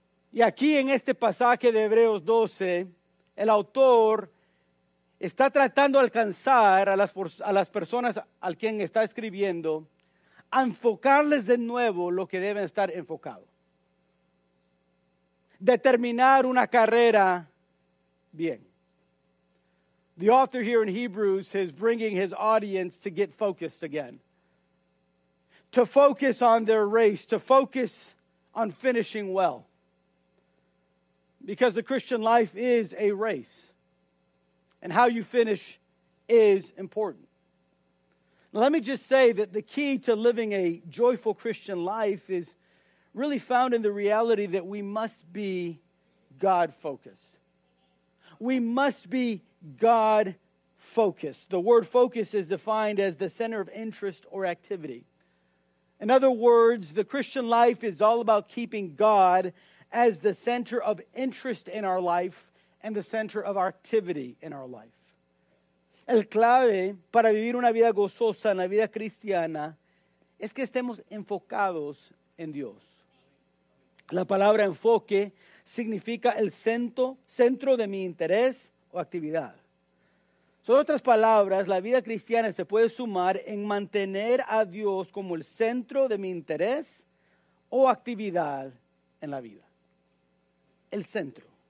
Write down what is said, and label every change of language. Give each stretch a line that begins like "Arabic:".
Spanish: Y aquí en este pasaje de Hebreos 12, el autor está tratando de alcanzar a las personas al quien está escribiendo a enfocarles de nuevo lo que deben estar enfocados. Determinar una carrera bien.
English: The author here in Hebrews is bringing his audience to get focused again. To focus on their race, to focus on finishing well. Because the Christian life is a race. And how you finish is important. Let me just say that the key to living a joyful Christian life is really found in the reality that we must be God-focused. We must be God-focused. The word focus is defined as the center of interest or activity. In other words, the Christian life is all about keeping God as the center of interest in our life and the center of activity in our life.
Spanish: El clave para vivir una vida gozosa en la vida cristiana es que estemos enfocados en Dios. La palabra enfoque significa el centro de mi interés o actividad. Son otras palabras, la vida cristiana se puede sumar en mantener a Dios como el centro de mi interés o actividad en la vida. El centro.